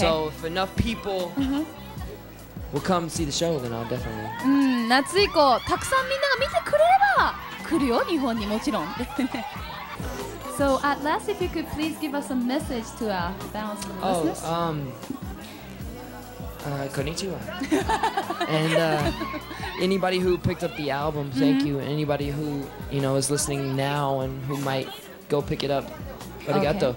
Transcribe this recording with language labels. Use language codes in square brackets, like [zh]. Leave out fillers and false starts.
[en] So if enough people will come see the show, then I'll definitely. [ja] 夏以降たくさんみんなが見てくれれば来るよ、日本にもちろん。 [en] So at last, if you could please give us a message to our fans and listeners. [ja] Konnichiwa. [en] And anybody who picked up the album, thank you. Anybody who is listening now and who might go pick it up, arigato.